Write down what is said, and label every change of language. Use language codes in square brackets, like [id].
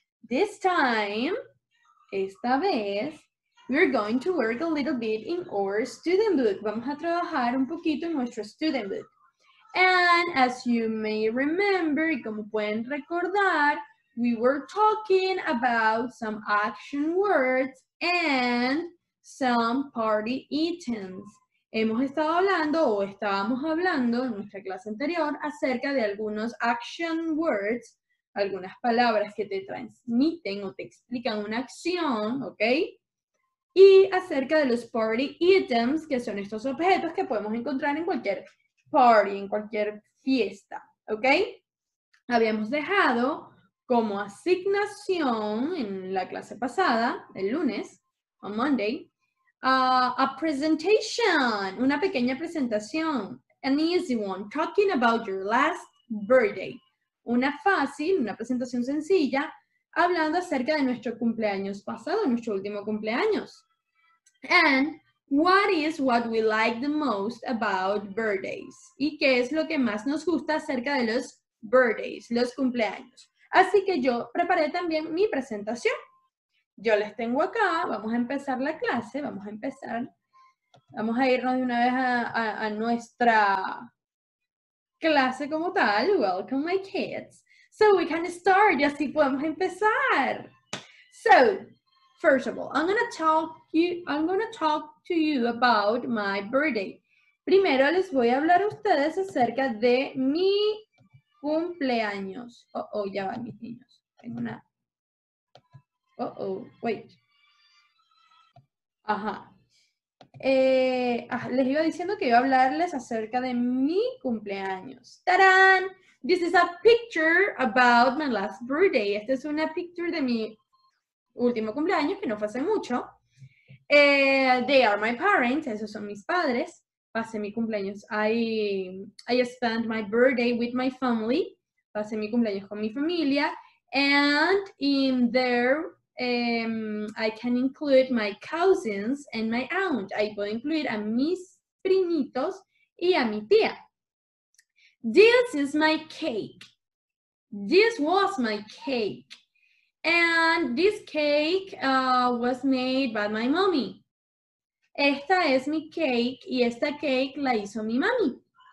[en] This time, [es] esta vez, [en] we're going to work a little bit in our student book. [es] Vamos a trabajar un poquito en nuestro student book. [en] And as you may remember, [es] como pueden recordar, [en] we were talking about some action words and some party items. [es] Hemos estado hablando o estábamos hablando en nuestra clase anterior acerca de algunos action words, algunas palabras que te transmiten o te explican una acción, ¿ok? Y acerca de los party items, que son estos objetos que podemos encontrar en cualquier party, en cualquier fiesta, ¿ok? Habíamos dejado como asignación en la clase pasada, el lunes, [en] on Monday, a presentation, [es] una pequeña presentación, [en] an easy one, talking about your last birthday. [es] Una fácil, una presentación sencilla, hablando acerca de nuestro cumpleaños pasado, nuestro último cumpleaños. [en] And what is what we like the most about birthdays? [es] ¿Y qué es lo que más nos gusta acerca de los birthdays, los cumpleaños? Así que yo preparé también mi presentación. Yo las tengo acá, vamos a empezar la clase, vamos a empezar. Vamos a irnos de una vez a nuestra clase como tal. [en] Welcome my kids. So we can start, [es] y así podemos empezar. [en] So, first of all, I'm gonna talk to you about my birthday. [es] Primero les voy a hablar a ustedes acerca de mi cumpleaños. Ya van mis niños. Tengo una. [en] Wait. Ajá. [es] Les iba diciendo que iba a hablarles acerca de mi cumpleaños. ¡Tarán! [en] This is a picture about my last birthday. [es] Esta es una picture de mi último cumpleaños, que no fue hace mucho. [en] They are my parents, [es] esos son mis padres. Pasé mi cumpleaños. [en] I spent my birthday with my family. [es] Pasé mi cumpleaños con mi familia. [en] And in there, I can include my cousins and my aunt. [es] Ahí puedo incluir a mis primitos y a mi tía. [en] This is my cake. This was my cake. And this cake was made by my mommy. [es] Esta es mi cake y esta cake la hizo mi mami.